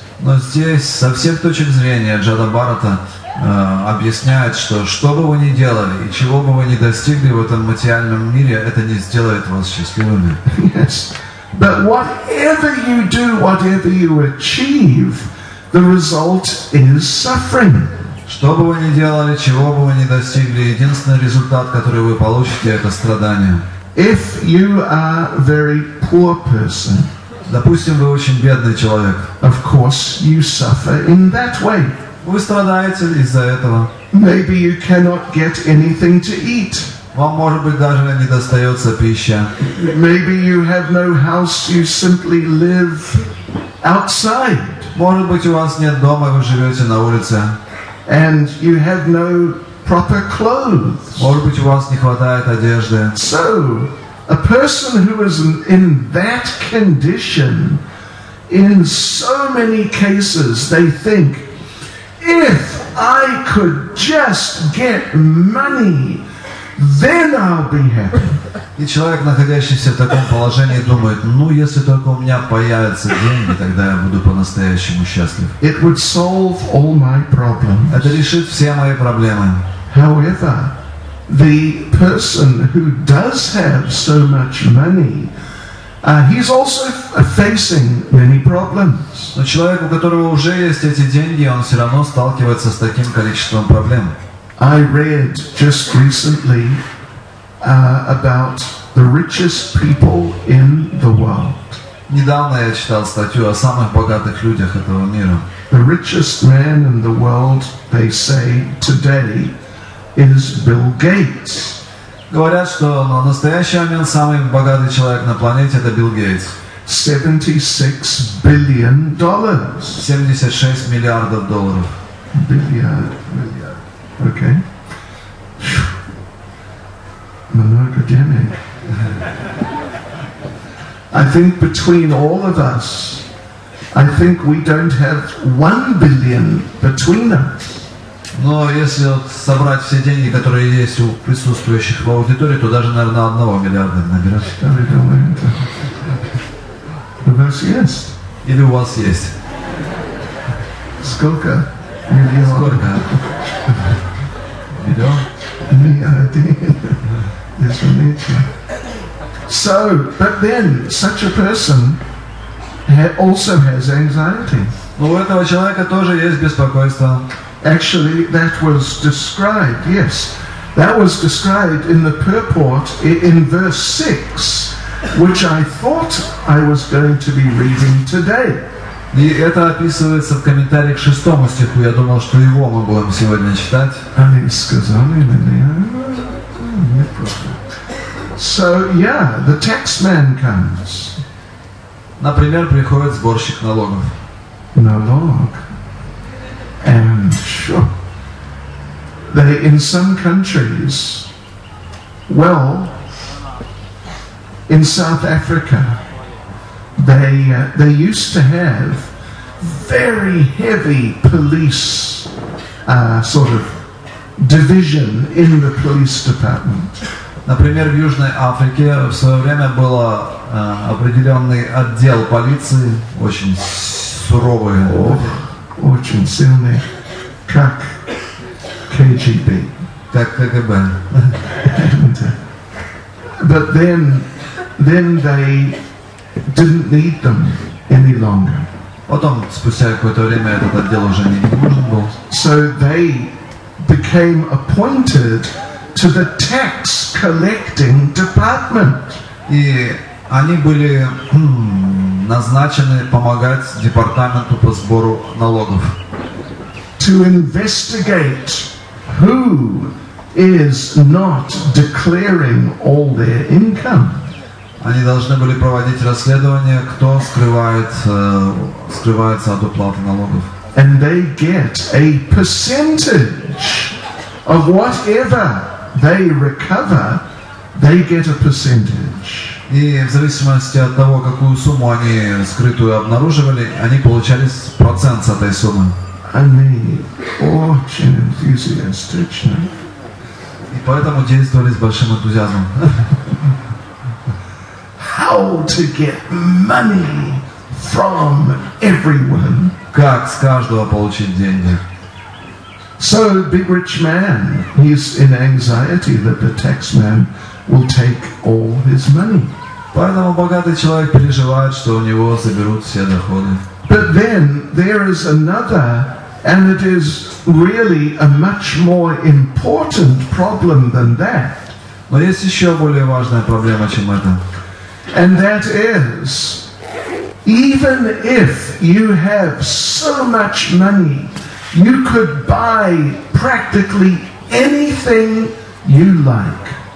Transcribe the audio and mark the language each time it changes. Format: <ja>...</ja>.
<ru>Но здесь со всех точек зрения Джада Бхарата объясняет, что бы вы ни делали и чего бы вы ни достигли в этом материальном мире, это не сделает вас счастливыми.</ru> <en>Yes. But whatever you do, whatever you achieve, the result is suffering.</en> <ru>Что бы вы ни делали, чего бы вы ни достигли, единственный результат, который вы получите, это страдание.</ru> <en>If you are a very poor person,</en> <ru>допустим, вы очень бедный человек.</ru> <en>Of course, you suffer in that way.</en> <ru>Вы страдаете из-за этого.</ru> <en>Maybe you cannot get anything to eat.</en> <ru>Вам, может быть, даже не достается пища.</ru> <en>Maybe you have no house, you simply live outside.</en> <ru>Может быть, у вас нет дома, вы живете на улице.</ru> <en>And you have no proper clothes.</en> <ru>Может быть, у вас не хватает одежды.</ru> <en>So, a person who is in that condition, in so many cases, they think, if I could just get money, then I'll be happy.</en> <ru>И человек, находящийся в таком положении, думает, ну если только у меня появятся деньги, тогда я буду по-настоящему счастлив.</ru> <en>It would solve all my problems.</en> <ru>Это решит все мои проблемы.</ru> <en>However, the person who does have so much money, he's also facing many problems.</en> <ru>Но человек, у которого уже есть эти деньги, он все равно сталкивается с таким количеством проблем.</ru> <en>I read just recently about the richest people in the world.</en> <ru>Недавно я читал статью о самых богатых людях этого мира.</ru> <en>The richest man in the world, they say today, is Bill Gates.</en> <ru>Говорят, что на настоящий момент самый богатый человек на планете это Билл Гейтс.</ru> <en>$76 billion.</en> <ru>76 миллиардов долларов. Миллиард. Окей. Monogamic.</ru> <en>I think between all of us, I think we don't have $1 billion between us.</en> <ru>Но если вот собрать все деньги, которые есть у присутствующих в аудитории, то даже, наверное, 1 миллиарда наберешь. Или у вас есть? Сколько? Миллион. Сколько? Миллион? Не один. Извините.</ru> <en>So, but then, such a person also has anxiety.</en> <ru>Но у этого человека тоже есть беспокойство.</ru> <en>Actually, that was described in the purport in verse 6, which I thought I was going to be reading today.</en> <ru>И это описывается в комментарии к шестому стиху. Я думал, что его мы будем сегодня читать. Они сказали мне, не просто.</ru> <en>So, yeah, the tax man comes.</en> <ru>Например, приходит сборщик налогов. Налог.</ru> <en>And sure, they in some countries Well, in South Africa, they used to have very heavy police sort of division in the police department.</en> <ru>Например, в Южной Африке в свое время был определенный отдел полиции, очень суровый. Очень сильный, как КГБ. Как КГБ.</ru> <en>But then they didn't need them any longer.</en> <ru>Потом, спустя какое-то время, этот отдел уже не нужен был.</ru> <en>So they became appointed to the tax collecting department.</en> <ru>И они были назначены помогать департаменту по сбору налогов.</ru> <en>To investigate who is not declaring all their income.</en> <ru>Они должны были проводить расследование, кто скрывается от уплаты налогов.</ru> <en>And they get a percentage of whatever they recover, they get a percentage.</en> <ru>И в зависимости от того, какую сумму они скрытую обнаруживали, они получали процент с этой суммы. Они очень энтузиастичны. И поэтому действовали с большим энтузиазмом.</ru> <en>How to get money from everyone?</en> <ru>Как с каждого получить деньги?</ru> <en>So big rich man, he's in anxiety that the tax man will take all his money.</en> <ru>Поэтому богатый человек переживает, что у него заберут все доходы.</ru> <en>But then there is another, and it is really a much more important problem than that.</en> <ru>Но есть еще более важная проблема, чем это.</ru> <en>And that is, even if you have so much money, you could buy practically anything you like.</en>